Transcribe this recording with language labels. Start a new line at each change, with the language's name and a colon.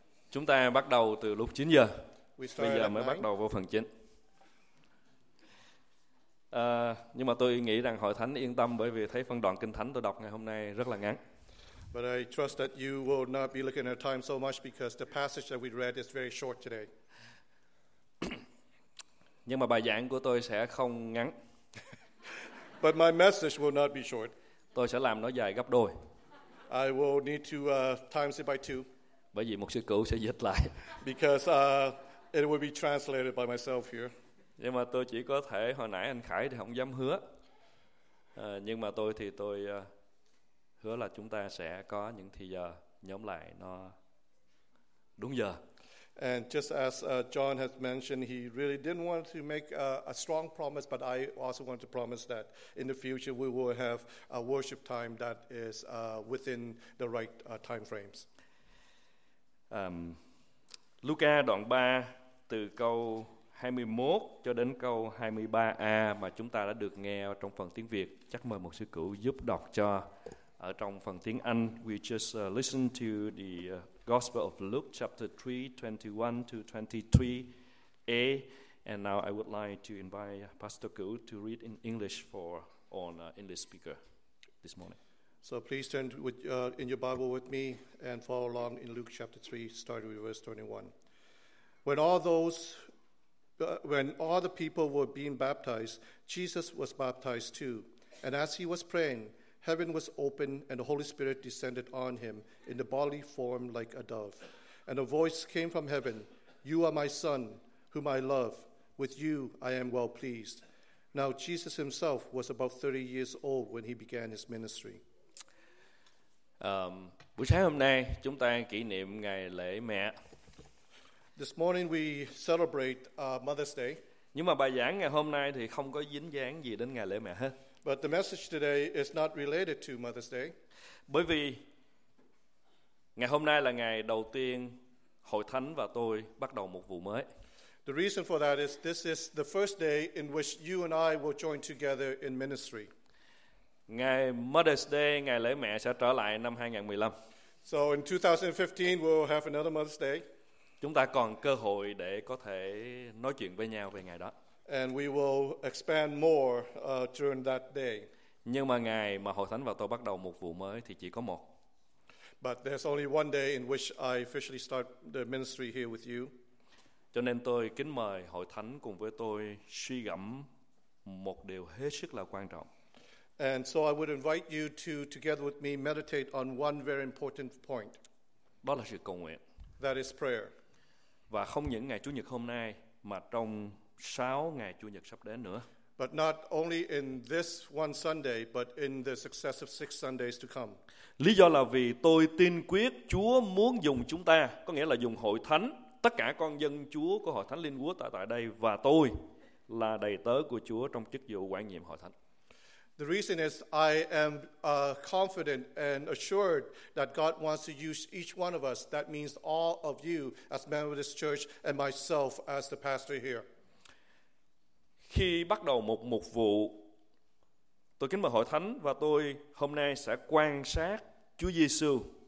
Vietnamese: Chúng ta bắt đầu từ lúc 9 giờ. Bây giờ mới bắt đầu vô phần chính. Nhưng mà tôi nghĩ rằng hội thánh yên tâm, bởi vì thấy phân đoạn kinh thánh tôi đọc ngày hôm nay rất là ngắn.
English: But I trust that you will not be looking at time so much, because the passage that we read is very short today.
Vietnamese: Nhưng mà bài giảng của tôi sẽ không ngắn.
English: But my message will not be short.
Vietnamese: Tôi sẽ làm nó dài gấp đôi.
English: I will need to times it by two.
Vietnamese: Bởi vì mục sư Cửu sẽ dịch lại.
English: Because it will be translated by myself here.
Vietnamese: Nhưng mà tôi chỉ có thể, hồi nãy anh Khải thì không dám hứa. Nhưng mà tôi thì tôi hứa là chúng ta sẽ có những thì giờ nhóm lại nó đúng giờ.
English: And just as John has mentioned, he really didn't want to make a strong promise, but I also want to promise that in the future we will have a worship time that is within the right time frames.
Vietnamese: Luca đoạn 3 từ câu 21 cho đến câu 23a mà chúng ta đã được nghe trong phần tiếng Việt, chắc mời một sư cửu giúp đọc cho ở trong phần tiếng Anh.
English: We just listen to the Gospel of Luke chapter 3, 21 to 23a, and now I would like to invite Pastor Cửu to read in English for on English speaker this morning. So please turn with, in your Bible with me and follow along in Luke chapter 3, starting with verse 21. When all the people were being baptized, Jesus was baptized too. And as he was praying, heaven was opened and the Holy Spirit descended on him in the bodily form like a dove. And a voice came from heaven, "You are my son, whom I love. With you I am well pleased." Now Jesus himself was about 30 years old when he began his ministry.
Vietnamese: Buổi sáng hôm nay chúng ta kỷ niệm ngày lễ mẹ.
English: This morning we celebrate Mother's Day.
Vietnamese: Nhưng mà bài giảng ngày hôm nay thì không có dính dáng gì đến ngày lễ mẹ hết.
English: But the message today is not related to Mother's Day.
Vietnamese: Bởi vì ngày hôm nay là ngày đầu tiên Hội Thánh và tôi bắt đầu một vụ mới.
English: The reason for that is this is the first day in which you and I will join together in ministry.
Vietnamese: Ngày Mother's Day, ngày lễ mẹ sẽ trở lại năm 2015.
English: So in 2015 we'll have another Mother's Day.
Vietnamese: Chúng ta còn cơ hội để có thể nói chuyện với nhau về ngày đó.
English: And we will expand more during that day.
Vietnamese: Nhưng mà ngày mà Hội Thánh và tôi bắt đầu một vụ mới thì chỉ có một.
English: But there's only one day in which I officially start the ministry here with you.
Vietnamese: Cho nên tôi kính mời Hội Thánh cùng với tôi suy gẫm một điều hết sức là quan trọng.
English: And so I would invite you to together with me meditate on one very important point.
Vietnamese: Đó là sự cầu nguyện.
English: That is prayer.
Vietnamese: Và không những ngày Chủ nhật hôm nay mà trong 6 ngày Chủ nhật sắp đến nữa.
English: But not only in this one Sunday but in the successive 6 Sundays to come.
Vietnamese: Lý do là vì tôi tin quyết Chúa muốn dùng chúng ta, có nghĩa là dùng Hội Thánh, tất cả con dân Chúa của Hội Thánh Liên Quốc tại đây và tôi là đầy tớ của Chúa trong chức vụ quản nhiệm Hội Thánh.
English: The reason is I am confident and assured that God wants to use each one of us. That means all of you as members of this church and myself as the pastor here.
Vietnamese: Khi bắt đầu một mục vụ, tôi kính mời Hội Thánh và tôi hôm nay sẽ quan sát Chúa Giêsu.